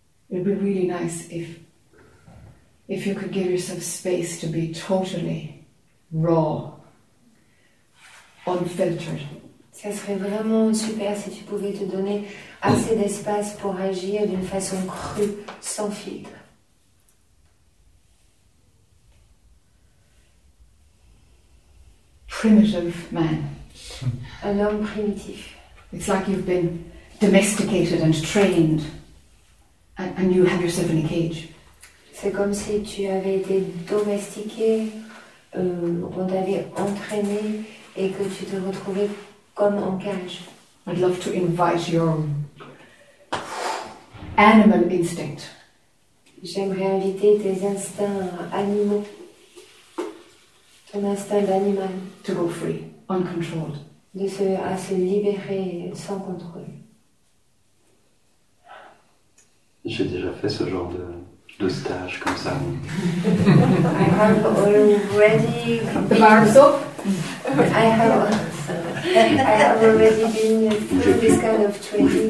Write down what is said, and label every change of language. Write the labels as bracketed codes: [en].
[en] It would be really nice if you could give yourself space to be totally raw, unfiltered. [fr] Ça serait vraiment super si tu pouvais te donner assez d'espace pour agir d'une façon crue, sans filtre. [en] Primitive man. [fr] Un homme primitif. [en] It's like you've been domesticated and trained and and you have yourself in a cage. [fr] C'est comme si tu avais été domestiqué, on t'avait entraîné et que tu te retrouvais comme en cage. [en] I'd love to invite your animal instinct. [fr] J'aimerais inviter tes instincts animaux. Ton instinct d'animal. [en] To go free, uncontrolled. [fr] De se, à se libérer sans contrôle. J'ai déjà fait ce genre de stage comme ça. [en] I have already the bar soap. I have already been through this kind of training.